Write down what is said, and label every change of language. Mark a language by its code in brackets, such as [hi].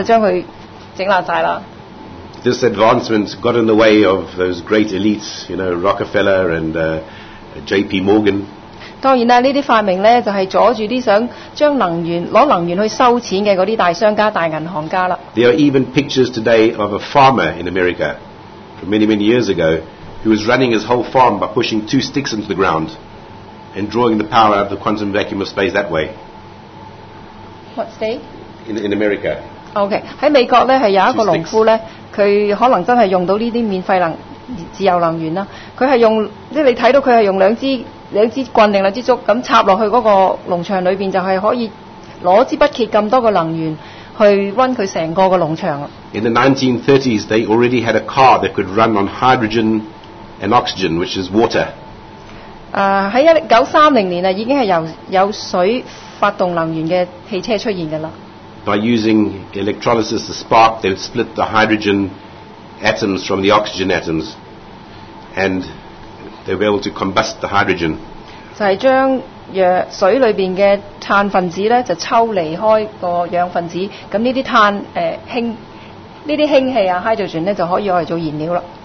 [zh] 快到很快就被這些情報局的人員就將它弄爛了。 [en] This advancement got in the way of those great elites, you know, Rockefeller and J.P. Morgan. [zh] 當然這些發明就是阻礙拿能源去收錢的那些大商家、大銀行家。 [en] There are even pictures today of a farmer in America from many, many years ago who was running his whole farm by pushing two sticks into the ground and drawing the power out of the quantum vacuum of space that way. What's that? In America. Okay. [zh] 在美國是有一個農夫，他可能真的用到這些免費自由能源，他是用，你看到他是用兩支 兩支棍還是兩支竹插進去那個農場裡面，就是可以拿之不竭這麼多的能源去溫它整個的農場。 [en] In the 1930s, they already had a car that could run on hydrogen and oxygen, which is water. [zh] 在1930年已經是有水發動能源的汽車出現了。 [en] by using electrolysis, the spark, they would split the hydrogen atoms from the oxygen atoms, and they were able to combust the hydrogen. [zh] 就是將水裡面的碳分子抽離開氧分子， 這些氢氣啊, hydrogen呢, 就可以用來做燃料了。